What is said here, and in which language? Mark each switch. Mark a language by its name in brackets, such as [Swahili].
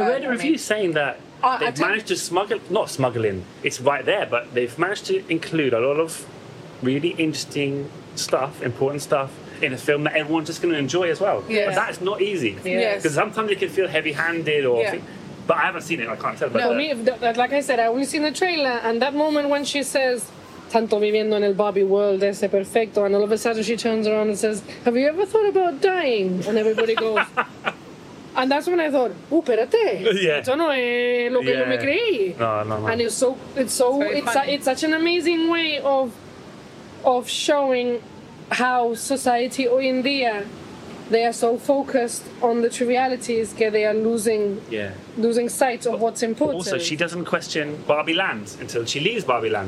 [English] Well, I read a review saying that they've managed to managed to include a lot of really interesting stuff, important stuff, in a film that everyone's just going to enjoy as well. Yes. But that's not easy. Because sometimes it can feel heavy-handed or... Yeah. But I haven't seen it, I can't tell. Like I said, I only seen the trailer, and that moment when she says... [Spanish] Tanto viviendo en el Barbie world, ese perfecto. [English] And all of a sudden she turns around and says, have you ever thought about dying? And everybody goes... And that's when I thought, oh, [Spanish] espérate. [English] Yeah. [Spanish] Eso no es lo que yo me creí. No. [English] And it's such an amazing way of showing how society [Spanish] hoy en día, [English] they are so focused on the trivialities that they are losing sight of what's important. Also, she doesn't question Barbie Land until she leaves Barbie Land.